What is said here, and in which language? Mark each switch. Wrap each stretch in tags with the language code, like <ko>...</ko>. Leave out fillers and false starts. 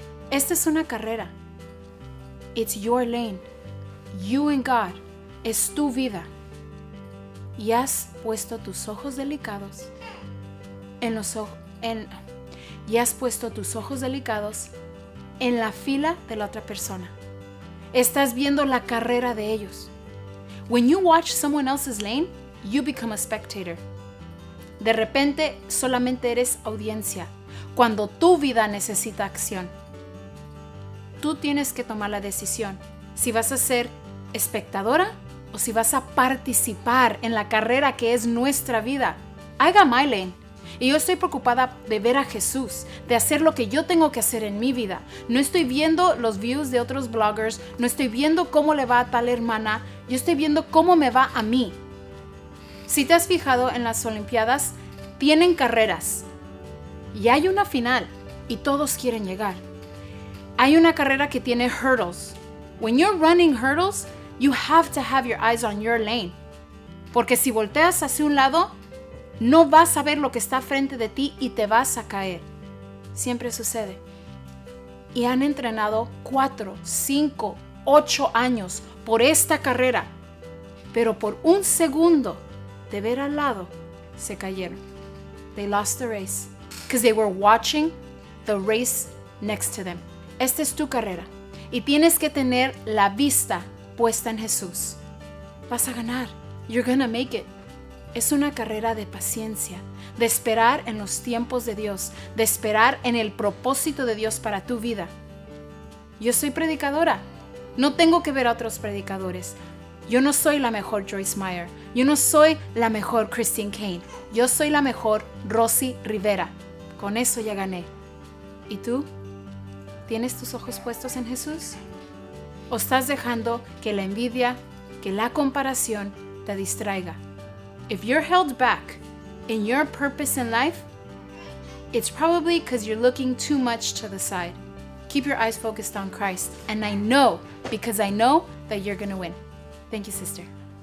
<es>Esta es una carrera.</es> <en>It's your lane. You and God.</en> <es>Es tu vida. Y has puesto tus ojos delicados en los y has puesto tus ojos delicados en la fila de la otra persona. Estás viendo la carrera de ellos.</es> <en>When you watch someone else's lane, you become a spectator.</en> <es>De repente, solamente eres audiencia. Cuando tu vida necesita acción, tú tienes que tomar la decisión si vas a ser espectadora o si vas a participar en la carrera que es nuestra vida.</es> <en>I got my lane.</en> <es>Y yo estoy preocupada de ver a Jesús, de hacer lo que yo tengo que hacer en mi vida. No estoy viendo los views de otros bloggers, no estoy viendo cómo le va a tal hermana, yo estoy viendo cómo me va a mí. Si te has fijado en las Olimpiadas, tienen carreras y hay una final y todos quieren llegar. Hay una carrera que tiene hurdles.</es> <en>When you're running hurdles, you have to have your eyes on your lane.</en> <es>Porque si volteas hacia un lado, no vas a ver lo que está frente de ti y te vas a caer. Siempre sucede. Y han entrenado 4, 5, 8 años por esta carrera. Pero por un segundo de ver al lado, se cayeron.</es> <en>They lost the race. Because they were watching the race next to them.</en> <es>Esta es tu carrera. Y tienes que tener la vista puesta en Jesús. Vas a ganar.</es> <en>You're gonna make it.</en> <es>Es una carrera de paciencia, de esperar en los tiempos de Dios, de esperar en el propósito de Dios para tu vida. Yo soy predicadora. No tengo que ver a otros predicadores. Yo no soy la mejor Joyce Meyer. Yo no soy la mejor Christine Kane. Yo soy la mejor Rosy Rivera. Con eso ya gané. ¿Y tú? ¿Tienes tus ojos puestos en Jesús? ¿O estás dejando que la envidia, que la comparación te distraiga?</es> <en>If you're held back in your purpose in life, it's probably because you're looking too much to the side. Keep your eyes focused on Christ, and I know, because I know, that you're gonna win. Thank you, sister.</en>